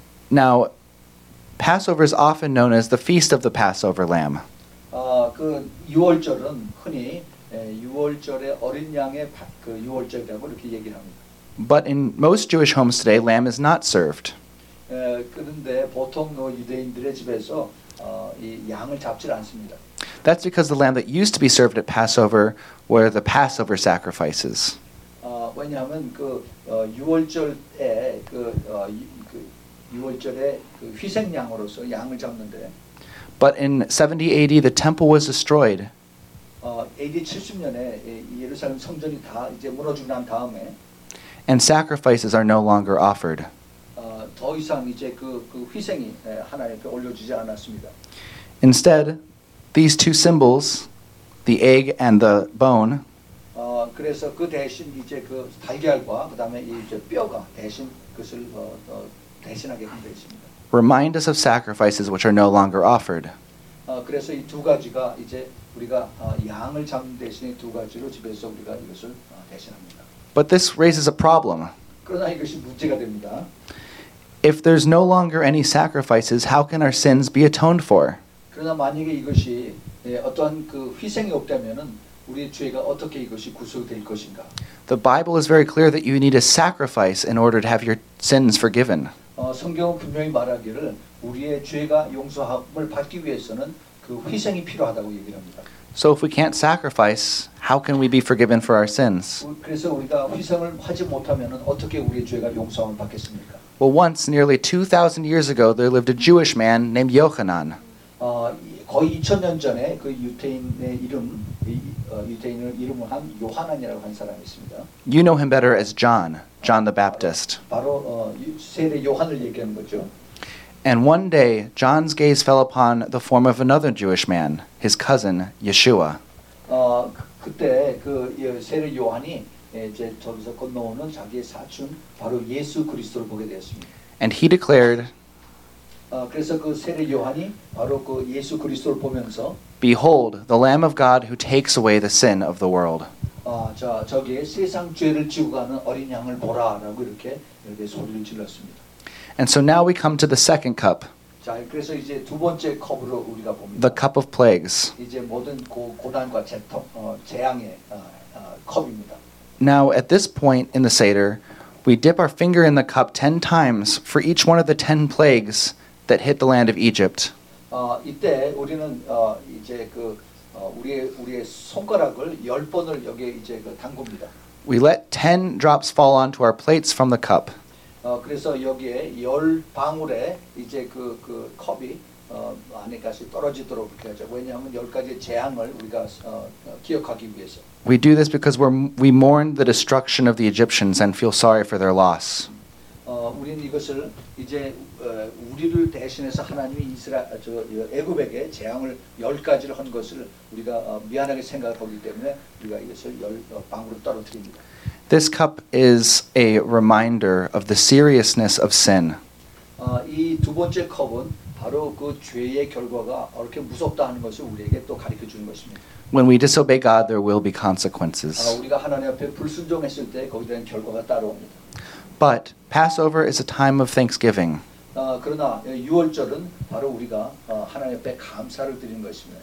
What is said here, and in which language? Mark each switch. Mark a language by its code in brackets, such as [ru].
[en] Now, Passover is often known as the feast of the Passover lamb. [ko] 그 유월절은 흔히 유월절의 어린 양의 그 유월절이라고 이렇게 얘기합니다. [en] But in most Jewish homes today, lamb is not served. [ko] 그런데 보통 유대인들의 집에서 이 양을 잡질 않습니다. [en] That's because the lamb that used to be served at Passover were the Passover sacrifices. [ko] 왜냐하면 그 유월절에 그 유월절에 그 희생양으로서 양을 잡는데. [en] But in 70 AD, the temple was destroyed. [ko] AD 70년에 예루살렘 성전이 다 이제 무너지고 난 다음에. [en] And sacrifices are no longer offered. [ko] 더 이상 이제 그 희생이 하나님께 올려지지 않았습니다. [en] Instead, these two symbols, the egg and the bone. [ko] 그래서 그 대신 이제 그 달걀과 그다음에 이제 뼈가 대신 그것을 대신하게 되어 있습니다. [en] Remind us of sacrifices which are no longer offered. [ko] 그래서 이 두 가지가 이제 우리가 양을 잡는 대신에 두 가지로 집에서 우리가 이것을 대신합니다. [en] But this raises a problem. [ko] 그러나 이것이 문제가 됩니다. [en] If there's no longer any sacrifices, how can our sins be atoned for? [ko] 그러나 만약에 이것이 어떤 그 희생이 없다면은 우리의 죄가 어떻게 이것이 구속될 것인가? [en] The Bible is very clear that you need a sacrifice in order to have your sins forgiven. [ko] 성경은 분명히 말하기를 우리의 죄가 용서함을 받기 위해서는 그 희생이 필요하다고 얘기를 합니다. [en] So if we can't sacrifice, how can we be forgiven for our sins? [ko] 그래서 우리가 희생을 하지 못하면은 어떻게 우리의 죄가 용서함을 받겠습니까? [en] Well, once, nearly 2,000 years ago, there lived a Jewish man named Yochanan. [ko] 거의 2,000년 전에 그 유대인의 이름, 유대인을 이름을 한 요한안이라고 한 사람이 있습니다. [en] You know him better as John, John the Baptist. [ko] 바로 세례 요한을 얘기하는 거죠. [en] And one day, John's gaze fell upon the form of another Jewish man, his cousin, Yeshua. [ko] 그때 그 세례 요한이 이제 저기서 건너오는 자기의 사촌 바로 예수 그리스도를 보게 되었습니다. [en] And he declared, [ko] 그래서 그 세례 요한이 바로 그 예수 그리스도를 보면서 [en] Behold, the Lamb of God who takes away the sin of the world. [ko] 저기 세상 죄를 지고 가는 어린 양을 보라라고 이렇게 이렇게 소리를 질렀습니다. [en] And so now we come to the second cup. [ko] 자, 그래서 이제 두 번째 컵으로 우리가 봅니다. [en] The cup of plagues. [ko] 이제 모든 고난과 재앙의 컵입니다. [en] Now at this point in the Seder, we dip our finger in the cup 10 times for each one of the 10 plagues that hit the land of Egypt. [ko] 이때 우리는 이제 그 우리의 손가락을 열 번을 여기 이제 그 담굽니다. [en] We let 10 drops fall onto our plates from the cup. [ko] 그래서 여기에 열 방울의 이제 그 컵이 안에까지 떨어지도록 그렇게 하죠. 왜냐하면 열 가지 재앙을 우리가 기억하기 위해서. [en] We do this because we mourn the destruction of the Egyptians and feel sorry for their loss. [ko] 우리는 이것을 이제 우리를 대신해서 하나님이 이스라엘 저 애굽에게 재앙을 열 가지를 한 것을 우리가 미안하게 생각하기 때문에 우리가 이것을 열 방울로 떨어뜨립니다. [en] This cup is a reminder of the seriousness of sin. [ko] 이 두 번째 컵은 바로 그 죄의 결과가 그렇게 무섭다 하는 것을 우리에게 또 가르쳐 주는 것입니다. [en] When we disobey God, there will be consequences. [ko] 우리가 하나님 앞에 불순종했을 때 거기에 대한 결과가 따라옵니다. [en] But Passover is a time of thanksgiving. [ko] 그러나 유월절은 바로 우리가 하나님 앞에 감사를 드리는 것입니다.